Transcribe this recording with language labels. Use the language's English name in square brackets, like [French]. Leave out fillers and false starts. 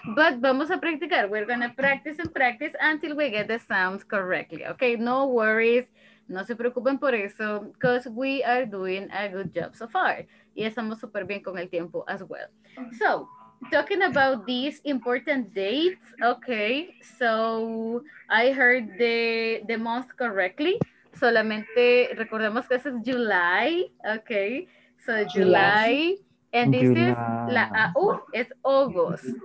[English] But [Spanish] vamos a practicar. [English] We're going to practice and practice until we get the sounds correctly. Okay. No worries. [Spanish] No se preocupen por eso, [English] because we are doing a good job so far. [Spanish] Y estamos súper bien con el tiempo [English] as well. So, talking about these important dates, okay, so I heard the month correctly. [Spanish] Solamente recordemos que es [English] July, okay, so July. And this July. [Spanish] Is la AU, es August.